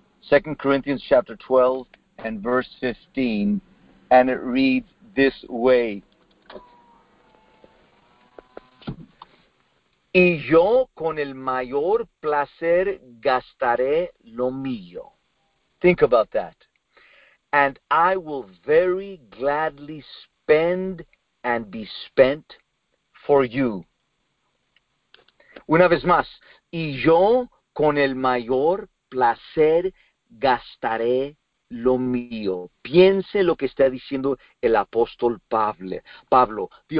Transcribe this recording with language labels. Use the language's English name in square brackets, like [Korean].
[English] 2 Corinthians chapter 12 and verse 15, and it reads this way. [Spanish] Y yo con el mayor placer gastaré lo mío. [English] Think about that. And I will very gladly spend and be spent for you. [Spanish] Una vez más. Y yo con el mayor placer gastaré lo mío. Piense lo que está diciendo el apóstol Pablo.